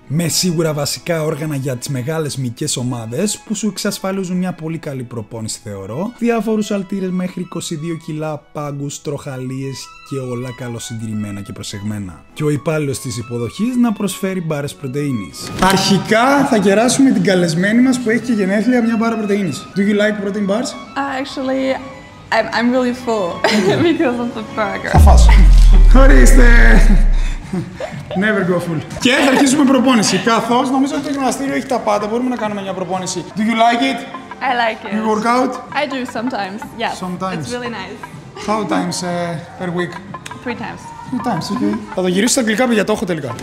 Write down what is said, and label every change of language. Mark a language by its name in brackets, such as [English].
[Greek] Με σίγουρα βασικά όργανα για τις μεγάλες μυκές ομάδες, που σου εξασφαλίζουν μια πολύ καλή προπόνηση θεωρώ, διάφορους αλτήρες μέχρι 22 κιλά, πάγκους, τροχαλίες και όλα καλοσυντηρημένα και προσεγμένα. Και ο υπάλληλος της υποδοχής να προσφέρει μπάρες πρωτεΐνης. Αρχικά θα κεράσουμε την καλεσμένη μας που έχει και γενέθλια μια μπάρα πρωτεΐνης. [English] Do you like protein bars? Actually, I'm really full because of the burger. [Greek] Θα φας. Ορίστε. [English] Never go full. [Greek] Και θα αρχίσουμε προπόνηση. Καθώς νομίζω ότι το γυμναστήριο έχει τα πάντα, μπορούμε να κάνουμε μια προπόνηση. [English] Do you like it? I like it. You work out? I do sometimes, yeah. Sometimes. It's really nice. How times per week? 3 times. Okay. [Greek] Θα το γυρίσω στα αγγλικά, παιδιά, το έχω τελικά.